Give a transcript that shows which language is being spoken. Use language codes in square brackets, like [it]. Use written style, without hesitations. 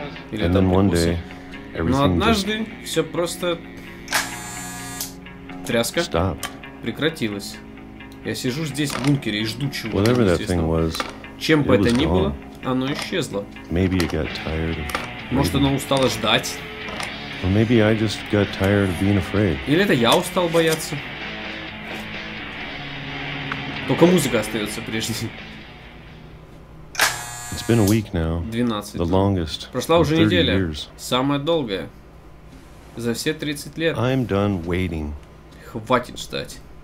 [ru] Или там монстры. Но однажды все просто тряска прекратилась. Я сижу здесь в бункере и жду чего-то. Чем бы это ни было, оно исчезло. [en] Maybe you got tired of... [ru] Может, оно устало ждать? [en] Maybe I just got tired of being afraid. [ru] Или это я устал бояться? Только музыка остается прежней. [en] It's It's been a week now. 12. The longest. [ru] Прошла уже неделя. Самая долгая. За все 30 лет. [en] I'm done waiting. [ru] Хватит ждать.